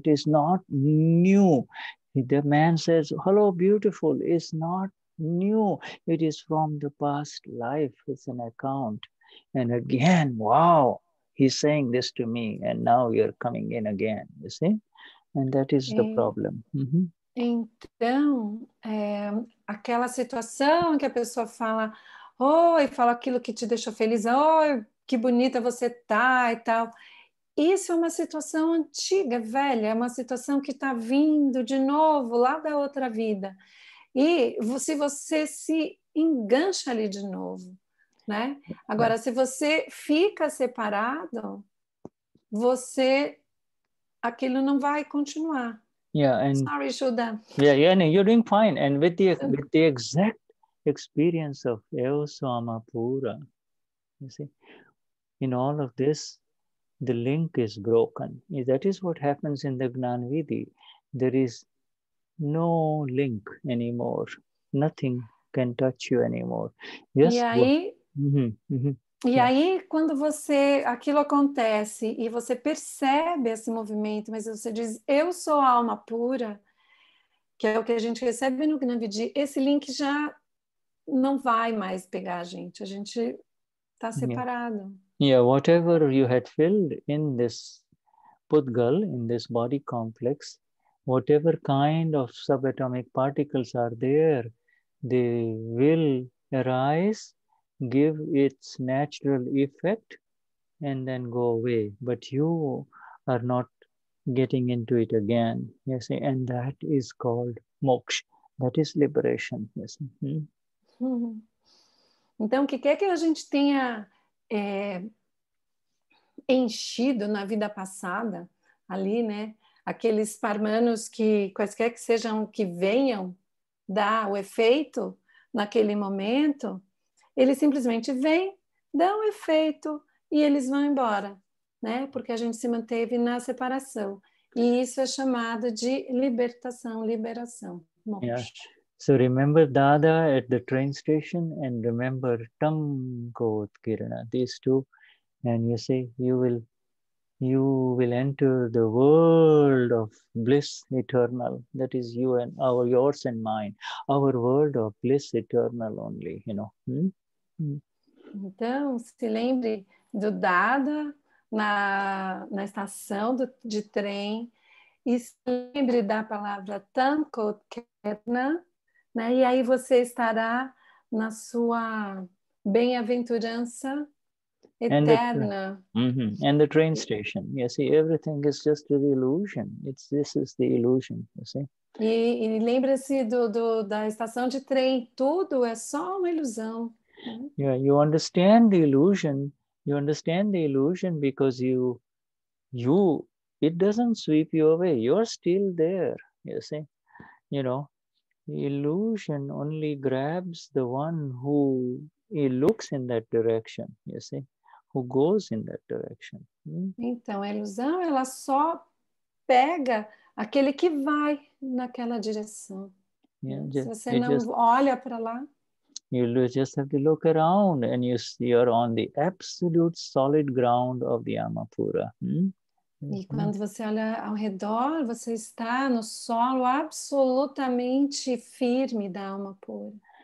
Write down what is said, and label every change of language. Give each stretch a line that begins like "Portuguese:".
English: It is not new. The man says, hello, beautiful. It's not new. It is from the past life. It's an account. And again, wow, he's saying this to me. And now you're coming in again, you see? And that is the problem. Mm-hmm.
Portuguese: Então, aquela situação que a pessoa fala, oi, oh, fala aquilo que te deixou feliz, oi, oh, que bonita você tá e tal. Isso é uma situação antiga, velha, é uma situação que está vindo de novo lá da outra vida. E se você se engancha ali de novo, né? Agora, se você fica separado, você, aquilo não vai continuar.
English: Yeah, and sorry, Shuddha. No, you're doing fine. And with the exact experience of Eosoma Pura, you see, in all of this, the link is broken. That is what happens in the Gnan Vidhi. There is no link anymore. Nothing can touch you anymore. Yes.
Portuguese: E aí, aí, quando você, aquilo acontece e você percebe esse movimento, mas você diz, eu sou a alma pura, que é o que a gente recebe no Gnan Vidhi, esse link já não vai mais pegar a gente está separado.
English: Yeah, whatever you had filled in this pudgal, in this body complex, whatever kind of subatomic particles are there, they will arise, give its natural effect and then go away, but you are not getting into it again, you see, and that is called moksha, that is liberation, you see. Uhum.
Portuguese: Então, o que quer que a gente tenha enchido na vida passada ali, né, aqueles parmanos que quaisquer que sejam que venham dar o efeito naquele momento, eles simplesmente vêm, dão efeito e eles vão embora, né? Porque a gente se manteve na separação. E isso é chamado de libertação, liberação.
English: Yeah. So remember Dada at the train station and remember Tangot Kirana, these two, and you say you will enter the world of bliss eternal. That is you and our, yours and mine. Our world of bliss eternal only, you know. Hmm?
Portuguese: Então, se lembre do Dada na estação de trem e se lembre da palavra Tangot Kirana, né? E aí você estará na sua bem-aventurança Eterna.
English: And the train station. You see, everything is just an illusion. This is the illusion, you see?
Portuguese: E lembra-se da estação de trem. Tudo é só uma ilusão.
English: Yeah, you understand the illusion. You understand the illusion because you, it doesn't sweep you away. You're still there, you see? You know, illusion only grabs the one who he looks in that direction, you see? Who goes in that direction.
Portuguese: Então, a ilusão, ela só pega aquele que vai naquela direção. Se você olha para lá...
English: You just have to look around and you're on the absolute solid ground of the Amapura.
Portuguese: E quando você olha ao redor, você está no solo absolutamente firme da Amapura.